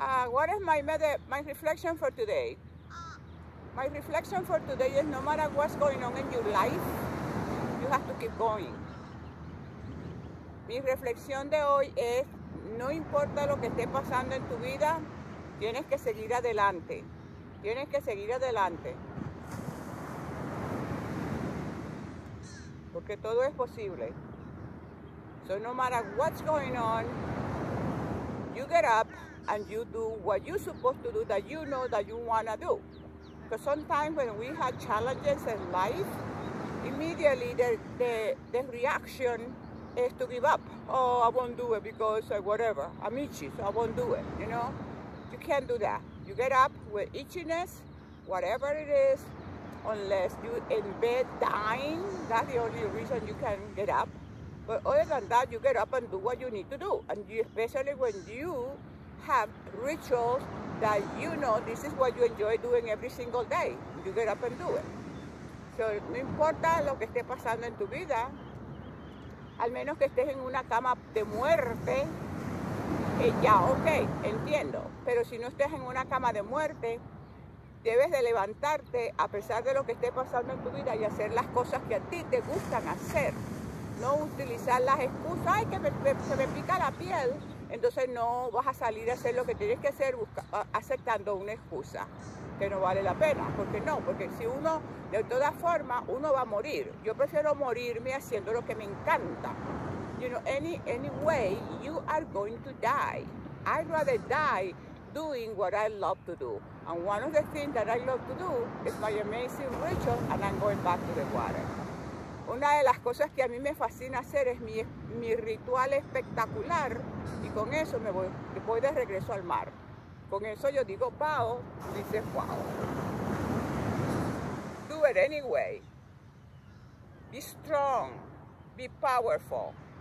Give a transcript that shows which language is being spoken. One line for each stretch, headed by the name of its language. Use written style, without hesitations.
English: What is my reflection for today? My reflection for today is no matter what's going on in your life, you have to keep going.
Spanish: Mi reflexión de hoy es, no importa lo que esté pasando en tu vida, tienes que seguir adelante. Tienes que seguir adelante. Porque todo es posible.
English: So no matter what's going on, you get up and you do what you're supposed to do that you know that you wanna do. Because sometimes when we have challenges in life, immediately the reaction is to give up. Oh, I won't do it because whatever, I'm itchy, so I won't do it, you know? You can't do that. You get up with itchiness, whatever it is, unless you in bed dying, that's the only reason you can get up. But other than that, you get up and do what you need to do. And you, especially when you have rituals that you know this is what you enjoy doing every single day, you get up and do it.
Spanish: So no importa lo que esté pasando en tu vida, al menos que estés en una cama de muerte, ya, ok, entiendo. Pero si no estés en una cama de muerte, debes de levantarte a pesar de lo que esté pasando en tu vida y hacer las cosas que a ti te gustan hacer. No utilizar las excusas, ay, que se me pica la piel. Entonces no vas a salir a hacer lo que tienes que hacer aceptando una excusa que no vale la pena. Porque no, porque si uno, de todas formas, uno va a morir. Yo prefiero morirme haciendo lo que me encanta.
English: You know, anyway, you are going to die. I'd rather die doing what I love to do. And one of the things that I love to do is my amazing ritual, and I'm going back to the water.
Spanish: Una de las cosas que a mí me fascina hacer es mi ritual espectacular, y con eso me voy de regreso al mar. Con eso yo digo, pao, dices, wow.
English: Do it anyway. Be strong. Be powerful.